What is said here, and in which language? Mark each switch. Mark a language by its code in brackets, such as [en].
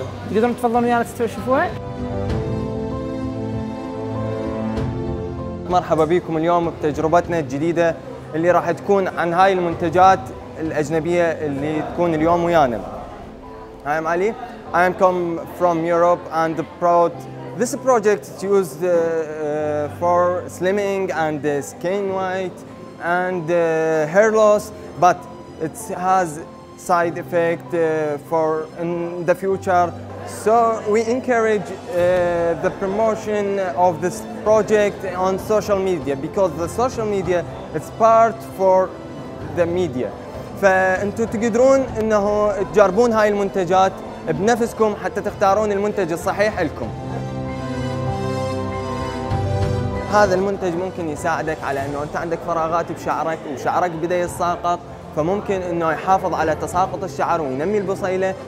[ar] تقدرون تفضلون ويانا تشوفوها؟ مرحبا بكم اليوم بتجربتنا الجديده اللي راح تكون عن هاي المنتجات الاجنبيه اللي تكون اليوم ويانا. [en] I'm Ali. I'm come from Europe and proud. This project is used for slimming and skin white and hair loss, but it has side effect for in the future. So we encourage the promotion of this project on social media, because the social media is part for the media. [ar] فأنتوا تقدرون أنه تجربون هاي المنتجات بنفسكم حتى تختارون المنتج الصحيح لكم. هذا المنتج ممكن يساعدك على أنه أنت عندك فراغات بشعرك وشعرك بدأ يتساقط، فممكن أنه يحافظ على تساقط الشعر وينمي البصيلة.